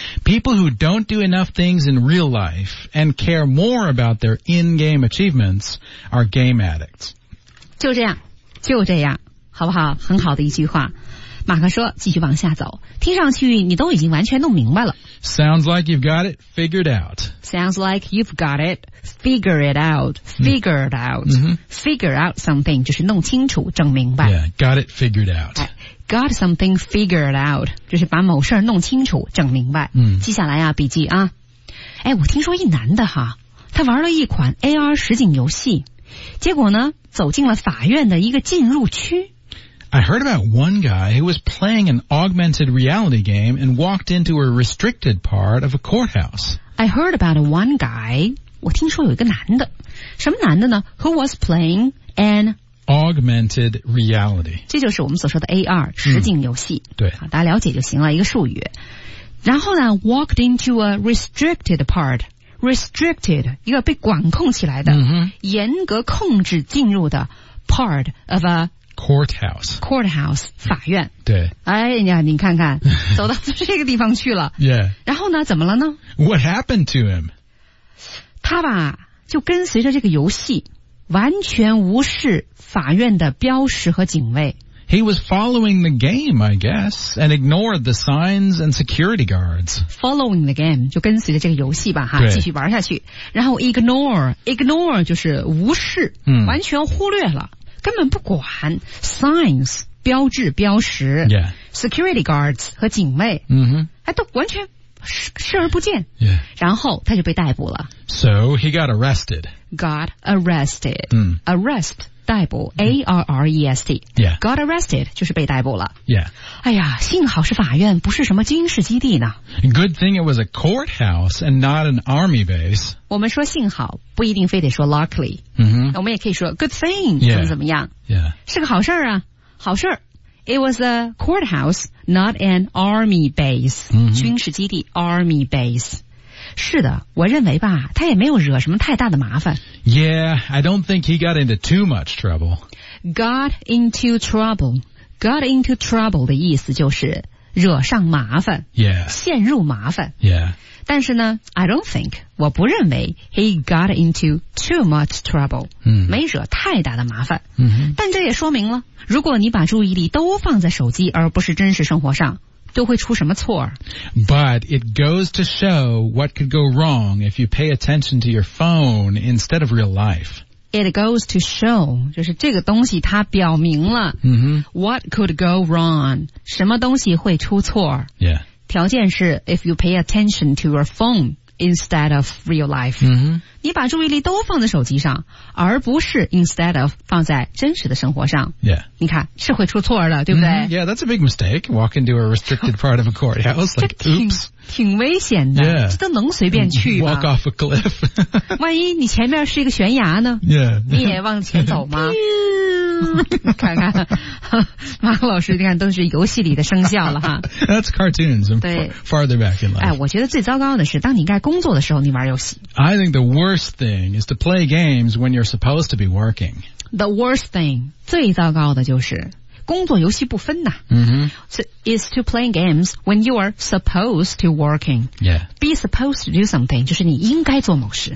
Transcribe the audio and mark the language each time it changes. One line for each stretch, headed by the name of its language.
English: People who don't do enough things in real life and care more about their in-game achievements are game addicts.
Chinese: 就这样，好不好？很好的一句话。马克说继续往下走，听上去你都已经完全弄明白了。
English: Sounds like you've got it figured out. Sounds like you've got it figured out. Figured out.、 Mm-hmm. Figure out something
Chinese: 就是弄清楚整明白。
English: Yeah, got it figured out.、 Got something figured out,
Chinese: 就是把某事弄清楚整明白。嗯，记下来啊笔记啊。哎，我听说一男的哈，他玩了一款 AR 实景游戏，结果呢走进了法院的一个进入区。
English: I heard about one guy who was playing an augmented reality game and walked into a restricted part of a courthouse. I heard about one guy,
Chinese: 我听说有一个男的，什么男的呢？
English: Who was playing an augmented reality.
Chinese: 这就是我们所说的 AR, 实景游戏。对。大家了解就行了，一个术语。然后呢
English: walked into a restricted part, restricted,
Chinese: 一个被管控起来的、 mm-hmm. 严格控制进入的
English: part of a courthouse,
Chinese: 法院。对。哎呀你看看走到这个地方去了。
English: yeah.
Chinese: 然后呢怎么了呢
English: ?What happened to him?
Chinese: 他吧就跟随着这个游戏完全无视法院的标识和警卫。
English: He was following the game, I guess, and ignored the signs and security guards. Following the game,
Chinese: 就跟随着这个游戏吧哈继续玩下去。然后 ignore 就是无视、嗯、完全忽略了根本不管
English: signs,
Chinese: 标志标识、
English: yeah. security guards
Chinese: 和警卫、 mm-hmm. 都完全视而不见、
English: yeah.
Chinese: 然后他就被逮捕了。
English: So he got arrested. Got arrested.、 Mm. Arrest,
Chinese: 逮捕、
English: mm. A-R-R-E-S-T.、 Yeah. Got arrested,
Chinese: 就是被逮捕了。
English: Yeah.
Chinese: 哎呀幸好是法院不是什么军事基地呢。
English: Good thing it was a courthouse and not an army base.
Chinese: 我们说幸好不一定非得说 luckily.、 Mm-hmm. 我们也可以说
English: good thing,、 yeah.
Chinese: 怎么怎么样、
English: yeah.
Chinese: 是个好事啊好事。
English: It was a courthouse, not an army base.、 Mm-hmm.
Chinese: 军事基地 army base. 是的我认为吧他也没有惹什么太大的麻烦。
English: Yeah, I don't think he got into too much trouble. Got into trouble. Got into trouble
Chinese: 的意思就是惹上麻烦。
English: Yeah.
Chinese: 陷入麻烦。
English: Yeah.
Chinese: 但是呢
English: I don't think,
Chinese: 我不认为
English: he got into too much trouble,、嗯、
Chinese: 没惹太大的麻烦、嗯。但这也说明了如果你把注意力都放在手机而不是真实生活上都会出什么错。
English: But it goes to show what could go wrong if you pay attention to your phone instead of real life. It goes to show,
Chinese: 就是这个东西它表明了、 mm-hmm.
English: What could go wrong?
Chinese: 什么东西会出错、
English: yeah.
Chinese: 条件是
English: If you pay attention to your phone instead of real life、 mm-hmm.
Chinese: 你把注意力都放在手机上而不是
English: instead of
Chinese: 放在真实的生活上、
English: yeah.
Chinese: 你看是会出错的对不对、
English: mm-hmm. Yeah, that's a big mistake Walk into a restricted part of a courthouse Like, oops
Chinese: 挺危险的、
English: yeah.
Chinese: 这都能随便去吗
English: Walk off a cliff
Chinese: 万一你前面是一个悬崖呢、
English: yeah.
Chinese: 你也往前走吗看看马克老师你看都是游戏里的生肖了哈
English: That's cartoons I'm
Chinese: 对
English: farther back in life、
Chinese: 哎、我觉得最糟糕的是当你该工作的时候你玩游戏
English: I think the worst thing is to play games when you're supposed to be working The worst thing
Chinese: 最糟糕的就是工作游戏不分呐、 mm-hmm.
English: so, is to playing games when you are supposed to working、 yeah. be supposed to do something
Chinese: 就是你应该做某事、